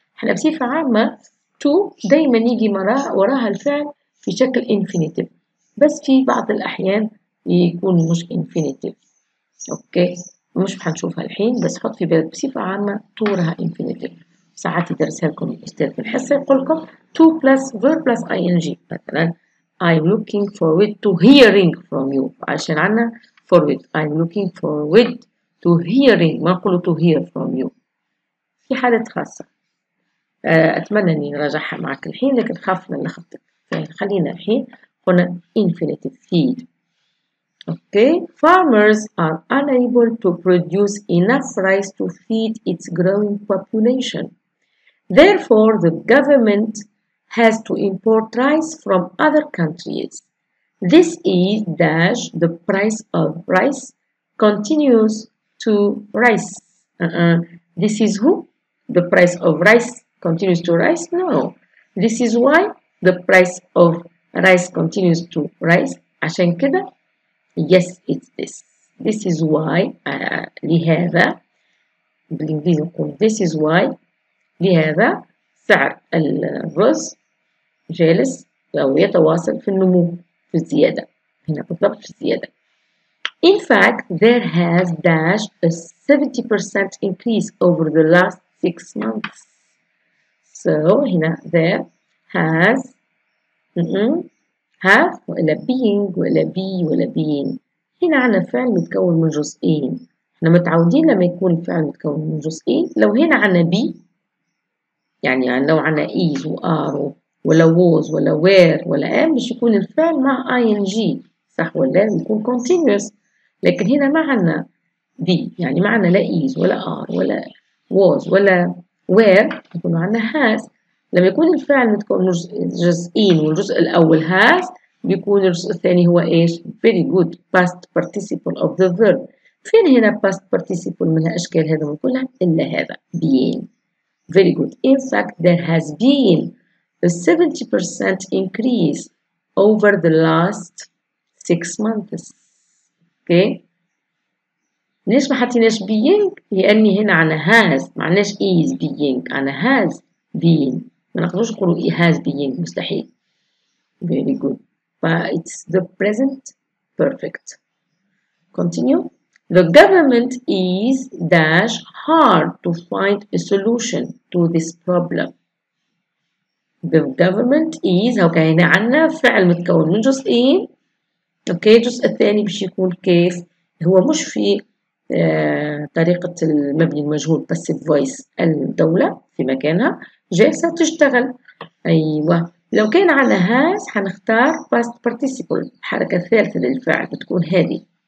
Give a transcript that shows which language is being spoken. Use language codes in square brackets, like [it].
[ar] حنا بصفة عامة to دايما يجي وراها الفعل في شكل انفينيتيف. بس في بعض الأحيان يكون مش انفينيتيف. [en] Okay. [ar] مش حنشوفها الحين بس حط في بالك بصفة عامة تورها infinitive. ساعات يدرسها لكم الأستاذ في الحصة يقول لكم [en] to plus verb plus ing. مثلا I'm looking forward to hearing from you. [ar] عشان عنا [en] forward. I'm looking forward to hearing. [ar] ما نقول [en] to hear from you. [ar] في حالة خاصة. أتمنى أني نراجعها معك الحين لكن خاف من لخبطك. خلينا الحين قلنا [en] infinitive feed. Okay, farmers are unable to produce enough rice to feed its growing population. Therefore, the government has to import rice from other countries. This is dash the price of rice continues to rise. This is who? The price of rice continues to rise? No. This is why the price of rice continues to rise. [ar] عشان كده. [en] Yes, it's this. This is why, [ar] لهذا, بالإنجليزي نقول, [en] this is why, [ar] لهذا, سعر الرز جالس أو يتواصل في النمو, في الزيادة. هنا بالضبط في الزيادة. [en] In fact, there has dashed a 70% increase over the last 6 months. So, هنا, there has, have ولا being ولا be ولا being. [ar] هنا عنا فعل متكون من جزئين. احنا متعودين لما يكون فعل متكون من جزئين. لو هنا عنا be يعني لو عنا is و are ولا was ولا where ولا am مش يكون الفعل مع ing صح ولا يكون continuous. لكن هنا ما عنا be يعني ما عنا لا is ولا are ولا was ولا where يكون عنا has. لما يكون الفعل متكون من جزئين والجزء الأول has بيكون الجزء الثاني هو إيش؟ [en] Very good past participle of the verb. [ar] فين هنا past participle من الأشكال هذا من كلها؟ إلا هذا being. [en] Very good. In fact, there has been a 70% increase over the last 6 months. [ar] Okay. ليش ما حطيناش being؟ لأني هنا عنا has معناش [en] is being [ar] عنا [en] has been. [ar] ما نقدرش نقولوا [en] it has been [ar] مستحيل. [en] Very good. But it's the present perfect. Continue. The government is dash hard to find a solution to this problem. The government is okay. [ar] هنا عنا فعل متكون من جزئين. [en] Okay. [ar] الجزء الثاني بش يكون كيف هو مش في طريقة المبني المجهول passive voice الدولة في مكانها جالسة تشتغل. أيوة لو كان عنا has حنختار past participle حركة ثالثة للفعل بتكون هذه.